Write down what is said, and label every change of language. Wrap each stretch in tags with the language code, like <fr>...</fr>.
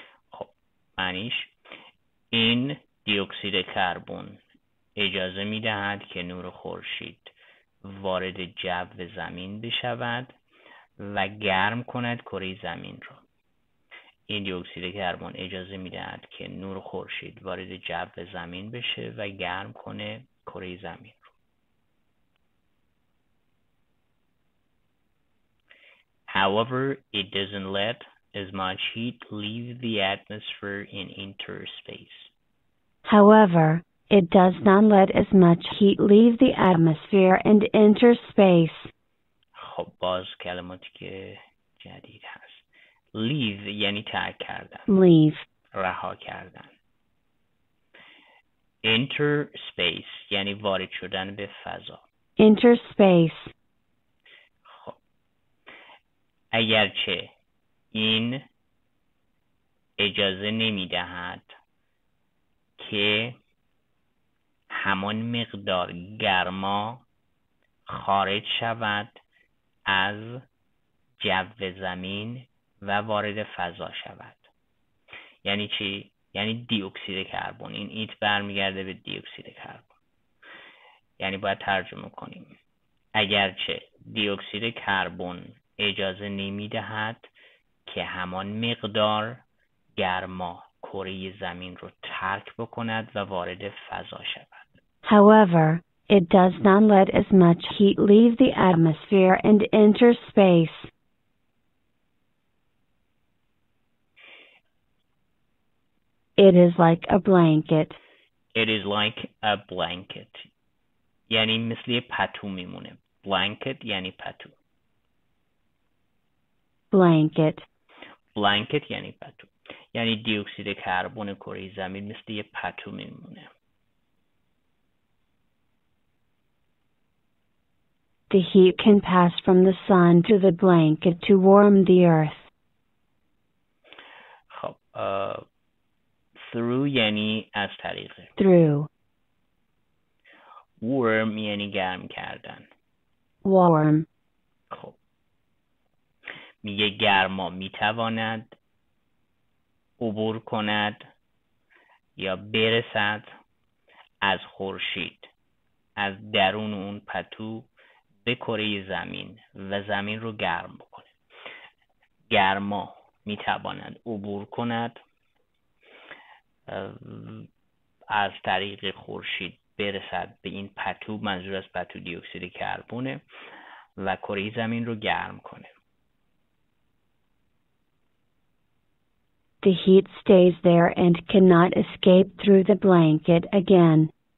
<fa>خب معنیش این دی اکسید کربن اجازه می‌دهد که نور خورشید وارد جو زمین بشود و گرم کند کره زمین را. این دی اکسید کربن اجازه می‌دهد که نور خورشید وارد جو زمین بشه و گرم کنه کره زمین.</fa> <en>However, it doesn't let as much heat leave the atmosphere and enter space. However, it does not let as much heat leave the atmosphere and enter space.</en> <fa>خب باز کلماتی که جدید هست. Leave یعنی ترک کردن.</fa> <en>Leave.</en> <fa>رها کردن. Enter space یعنی وارد شدن به فضا.</fa> <en>Enter space.</en> <fa>اگرچه این اجازه نمی دهد که همان مقدار گرما خارج شود از جو زمین و وارد فضا شود. یعنی چی؟ یعنی دی اکسید کربن. این ایت برمی گرده به دی اکسید کربن. یعنی باید ترجمه کنیم. اگرچه دی اکسید کربن اجازه نمی دهد که همان مقدار گرما کره زمین رو ترک بکند و وارد فضا شود.</fa> <en>However, it does not let as much heat leave the atmosphere and enter space. It is like a blanket. It is like a blanket.</en> <fa>یعنی مثل پتو میمونه. Blanket یعنی پتو.</fa> <en>Blanket.</en> <fa>Blanket یعنی پتو. یعنی دی اکسید کربن کره زمین مثل یه پتو میمونه.</fa> <en>The heat can pass from the sun to the blanket to warm the earth.</en> <fa>خب through یعنی از طریق.</fa> <en>Through.</en> <fa>Warm یعنی گرم کردن.</fa> <en>Warm.</en> <fa>خب میگه گرما میتواند عبور کند یا برسد از خورشید از درون اون پتو به کره زمین و زمین رو گرم بکنه. گرما میتواند عبور کند از طریق خورشید برسد به این پتو، منظور از پتو دی اکسید کربونه، و کره زمین رو گرم کنه.</fa> <en>The heat stays there and cannot escape through the blanket again.</en>